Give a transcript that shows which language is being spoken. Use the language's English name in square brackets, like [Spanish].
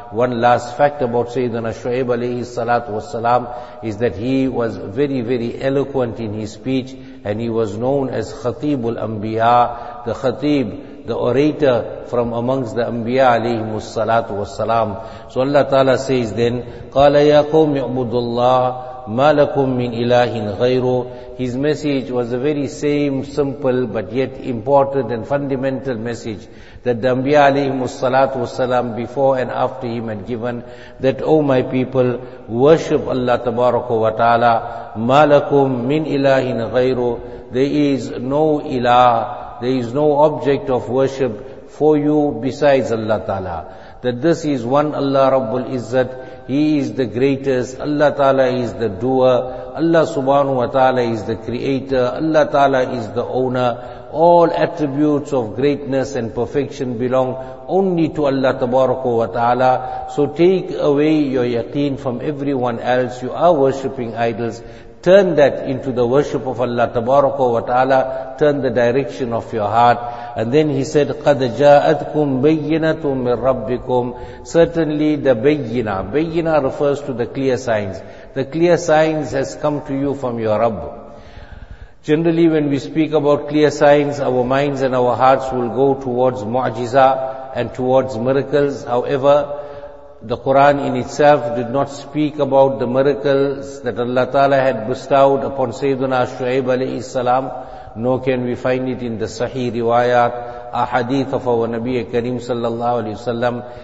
[English] One last fact about Sayyidina Shu'aib alayhi salatu wassalam is that he was very, very eloquent in his speech, and he was known as Khatibul Anbiya, the Khatib, the orator from amongst the Anbiya alayhim salatu wassalam. So Allah Ta'ala says then, [Arabic] قَالَ يَا قَوْمِ اعْبُدُ اللَّهِ مَا لَكُمْ مِنْ إِلَٰهٍ غَيْرُهُ. [English] His message was a very same, simple, but yet important and fundamental message that the Anbiya alayhim salatu wassalam before and after him had given, that, O my people, worship Allah Tabaraka wa Ta'ala. [Arabic] مَا لَكُمْ مِنْ إِلَٰهٍ غَيْرُهُ. [English] There is no ilah, there is no object of worship for you besides Allah Ta'ala. That this is one Allah Rabbul Izzat. He is the greatest. Allah Ta'ala is the doer. Allah Subhanahu wa Ta'ala is the creator. Allah Ta'ala is the owner. All attributes of greatness and perfection belong only to Allah Tabaraka wa Ta'ala. So take away your yaqeen from everyone else. You are worshipping idols. Turn that into the worship of Allah Tabaraka wa Ta'ala. Turn the direction of your heart. And then he said, [Arabic] قَدْ جَاءَتْكُمْ بَيِّنَةٌ مِّن رَبِّكُمْ. [English] Certainly the bayyina. Bayyina refers to the clear signs. The clear signs has come to you from your Rabb. Generally when we speak about clear signs, our minds and our hearts will go towards mu'jiza and towards miracles. However, the Quran in itself did not speak about the miracles that Allah Ta'ala had bestowed upon Sayyiduna Shu'aib alayhi salam, nor can we find it in the Sahih Riwayat, a hadith of our Nabi Kareem sallallahu alayhi wasallam.